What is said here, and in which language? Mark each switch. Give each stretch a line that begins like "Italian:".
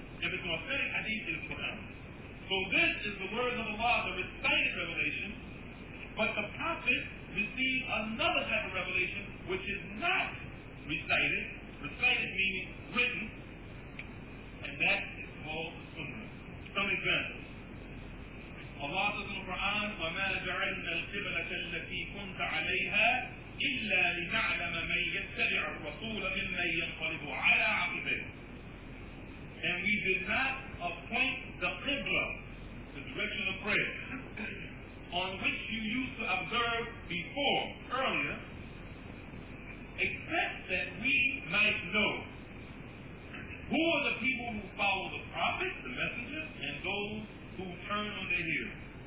English: If it's an authentic hadith, it is Quran. So this is the word of Allah, the recited revelation, but the Prophet received another type of revelation which is not recited. Recited meaning written, and that is called the Sunnah. Some examples. Allah says in the Quran, وَمَا
Arabic: جعلنا القبلة التي كنت عليها إلا لنعلم من يتبع الرسول ممن ينقلب على عقبيه.
English: And we did not appoint the qibla, the direction of prayer, on which you used to observe before, earlier, except that we might know who are the people who follow the prophet, the messenger, and those who turn on their heels.